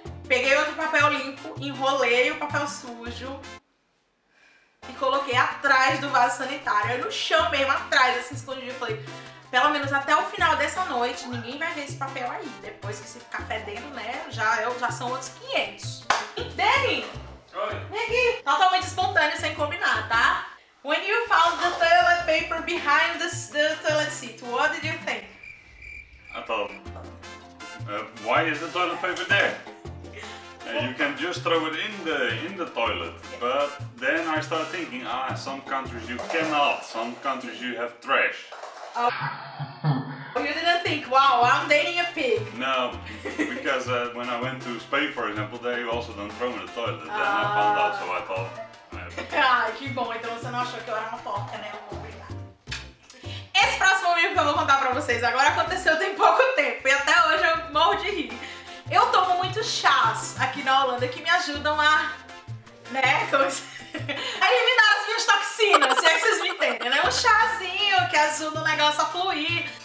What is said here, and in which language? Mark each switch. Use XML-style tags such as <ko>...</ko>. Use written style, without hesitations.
<pt>Peguei outro papel limpo, enrolei o papel sujo e coloquei atrás do vaso sanitário, no chão mesmo, atrás, assim, escondido. Eu falei, pelo menos até o final dessa noite, ninguém vai ver esse papel aí. Depois que se ficar fedendo, né, já são outros 500. Demi! Oi! Vem aqui! Totalmente espontâneo, sem combinar, tá?</pt> <en>When you found the toilet paper behind the toilet seat, what did you think? I thought, why is the toilet paper there? You can just throw it in the toilet. But then I started thinking, some countries you cannot, some countries you have trash. Oh, you didn't think, wow, I'm dating a pig. No, because when I went to Spain, for example, they also don't throw in the toilet. Then I found out, so I thought...</en> <pt>Ah, que bom, então você não achou que eu era uma porca, né? Esse próximo vídeo que eu vou contar pra vocês agora aconteceu tem pouco tempo e até hoje eu morro de rir. Eu tomo muitos chás aqui na Holanda que me ajudam a... né? A eliminar as minhas toxinas, se é que vocês me entendem, né? Um chazinho que ajuda o negócio a fluir.</pt>